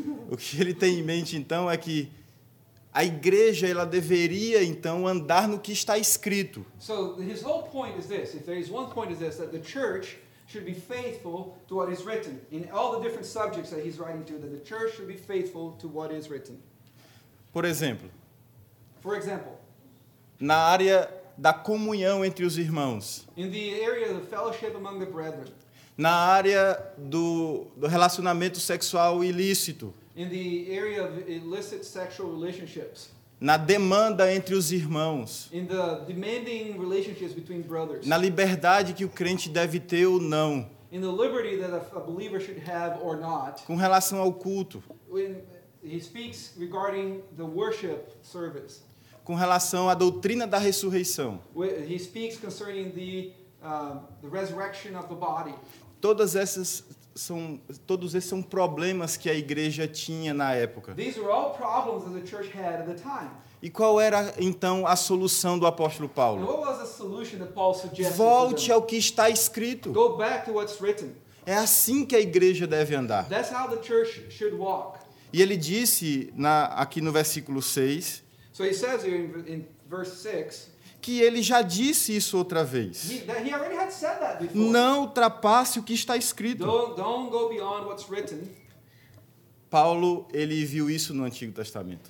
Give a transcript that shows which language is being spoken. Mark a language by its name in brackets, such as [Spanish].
[Portuguese] O que ele tem em mente, então, é que a igreja, ela deveria, então, andar no que está escrito. [English] So, his whole point is this. If there is one point is this, that the church should be faithful to what is written. In all the different subjects that he's writing to, that the church should be faithful to what is written. [Portuguese] Por exemplo. [English] For example. [Portuguese] Na área da comunhão entre os irmãos. [English] In the area of the fellowship among the brethren. [Portuguese] Na área do relacionamento sexual ilícito. [English] In the area of illicit sexual relationships. [Portuguese] Na demanda entre os irmãos. [English] In the demanding relationships between brothers. [Portuguese] Na liberdade que o crente deve ter ou não. [English] In the liberty that a believer should have or not. [Portuguese] Com relação ao culto. [English] When he speaks regarding the worship service. [Portuguese] Com relação à doutrina da ressurreição. [English] He speaks concerning the resurrection of the body. [Portuguese] Todos esses são problemas que a igreja tinha na época. [English] These were all problems that the church had at the time. [Portuguese] E qual era, então, a solução do apóstolo Paulo? [English] And what was the solution that Paul suggested? [Portuguese] Volte ao que está escrito. [English] Go back to what's written. [Portuguese] É assim que a igreja deve andar. [English] That's how the church should walk. [Portuguese] E ele disse aqui no versículo 6. [English] So he says here in verse 6, [Portuguese] que ele já disse isso outra vez. [English] He already had said that before. [Portuguese] Não ultrapasse o que está escrito. [English] Don't go beyond what's written. [Portuguese] Paulo, ele viu isso no Antigo Testamento.